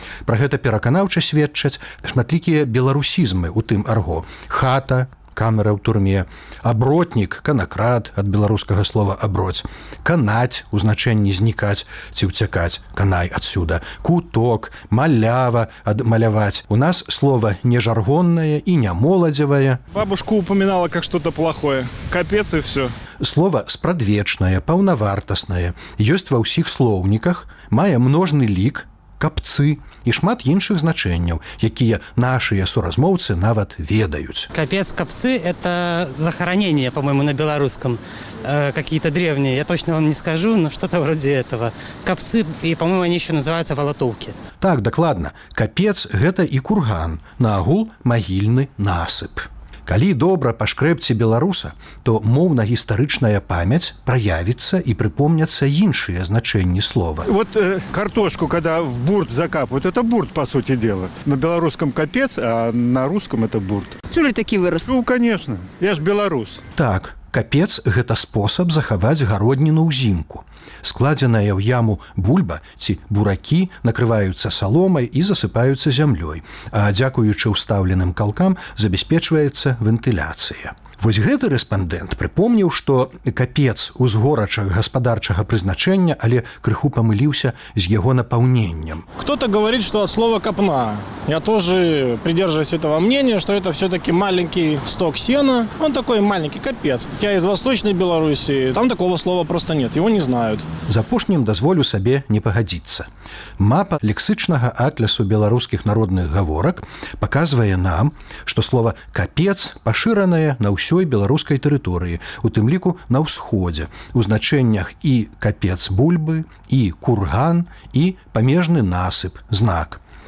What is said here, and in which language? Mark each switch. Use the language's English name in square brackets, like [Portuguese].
[Belarusian] Пра гэта пераканаўча сведчаць шматлікія беларусізмы ў тым арго – хата, камера ў турме, абротнік, канакрад, ад беларускага слова «аброць», канаць, у значэнні «знікаць» ці «уцякаць», канай адсюда, куток, малява, ад «маляваць». У нас слова нежаргоннае і немоладзевае. [Russian] Бабушка упамінала, как что-то плохое. Капец і всё. [Belarusian] Слова спрадвечнае, паўнавартаснае, ёсць ва ўсіх слоўніках, мае множны лік, капцы і шмат іншых значэнняў, якія нашыя суразмоўцы нават ведаюць. [Russian] Капец, капцы – это захоронение, по-моему, на беларускам. Какие-то древние, я точно вам не скажу, но что-то вроде этого. Капцы, и, по-моему, они еще называются волотовки. [Belarusian] Так, докладно. Капец – это и курган, на агул – могильный насып. Калі добра пашкрэбці беларуса, то моўна-гістарычная памяць праявіцца і прыпомняцца іншыя значэнні слова. [Russian] Вот картошку, когда в бурт закапают, это бурт, по сути дела. На беларускам капец, а на русском это бурт. [Belarusian] Чу ли такі вырос? [Russian] Ну, конечно. Я ж беларус. [Belarusian] Так, капец – гэта спосаб захаваць гародніну ўзімку. Складзеная ў яму бульба ці буракі накрываюцца саломай і засыпаюцца зямлёй, а дзякуючы ўстаўленым калкам забяспечваецца вентыляцыя. Вось гэты рэспандэнт прыпомніў, што капец узгорача гаспадарчага прызначэння, але крыху памыліўся з яго напаўненнем. [Russian] Кто-то говорит, что от слова «капна». Я тоже придерживаюсь этого мнения, что это все-таки маленький сток сена. Он такой маленький капец. Я из Восточной Беларуси, там такого слова просто нет, его не знают. [Belarusian] З апошнім дазволю сабе не пагадзіцца. Мапа лексычнага атласу беларускіх народных гаворак паказвае нам, што слова «капец» пашыранае на ўсёй беларускай тэрыторыі, у тым ліку на ўсходзе, у значэннях і «капец бульбы», і «курган», і «памежны насып» – знак.